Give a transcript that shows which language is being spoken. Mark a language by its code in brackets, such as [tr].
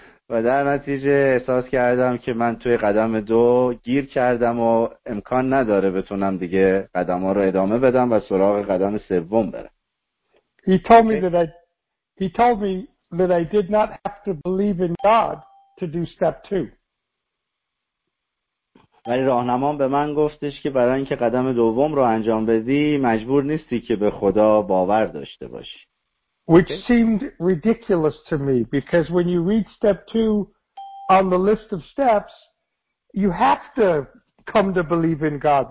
[fa] و در نتیجه احساس کردم که من توی قدم 2 گیر کردم و امکان نداره بتونم دیگه قدم‌ها رو ادامه بدم و سراغ قدم 3 برم. [en] He told me that I did not have to believe in God to do step 2. [fa] ولی راهنمام به من گفتش که برای اینکه قدم 2 رو انجام بدی مجبور نیستی که به خدا باور داشته باشی. [en] Which seemed ridiculous to me because when you read step 2 on the list of steps, you have to come to believe in God.